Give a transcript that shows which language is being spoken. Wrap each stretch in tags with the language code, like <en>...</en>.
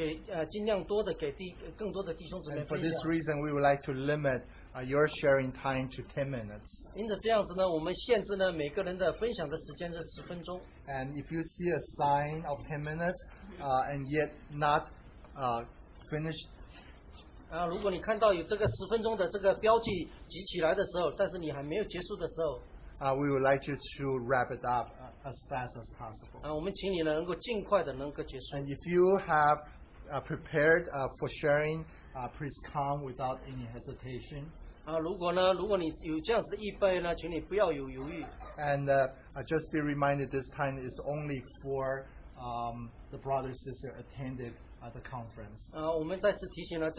<zh>因为有许多弟兄姊妹呢去参加这个特会呢，我们想把这样子的时间尽量多的给更多的弟兄姊妹分享。</zh> <en>For this reason, we would like to limit your sharing time to 10 minutes.</en> <zh>因此这样子呢，我们限制呢每个人的分享的时间是10分钟。</zh> <en>And if you see a sign of 10 minutes and yet not finished,</en> <zh>如果你看到有这个十分钟的这个标记集起来的时候，但是你还没有结束的时候，</zh> <en>We would like you to wrap it up as fast as possible.</en> <zh>我们请你呢能够尽快的能够结束。</zh> <en>And if you have prepared for sharing, please come without any hesitation.</en> <zh>如果你有这样子的预备呢，请你不要有犹豫。</zh> <en>And just be reminded this time is only for the brother sister attended at the conference.</en>